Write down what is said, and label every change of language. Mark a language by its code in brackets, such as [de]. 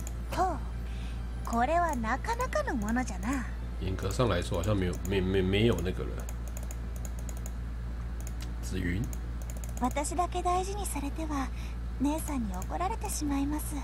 [ja] ほう、これはなかなかのものじゃな。 [zh] 严格上来说，好像没有那个了。紫云。 [ja] 私だけ大事にされては姉さんに怒られてしまいます。